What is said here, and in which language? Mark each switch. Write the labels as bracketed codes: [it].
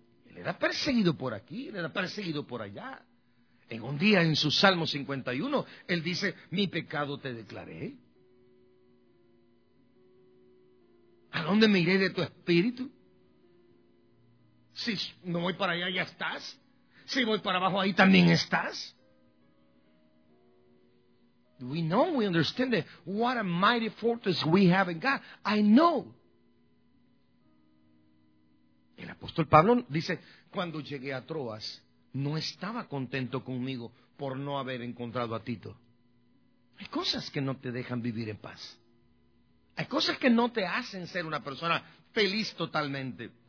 [es] Él era perseguido por aquí, él era perseguido por allá. En un día, en su Salmo 51, él dice, mi pecado te declaré. ¿A dónde me iré de tu espíritu? Si no voy para allá, ya estás. Si voy para abajo, ahí también estás. [en] We know, we understand that what a mighty fortress we have in God. I know. [es] El apóstol Pablo dice, cuando llegué a Troas, no estaba contento conmigo por no haber encontrado a Tito. Hay cosas que no te dejan vivir en paz. Hay cosas que no te hacen ser una persona feliz totalmente.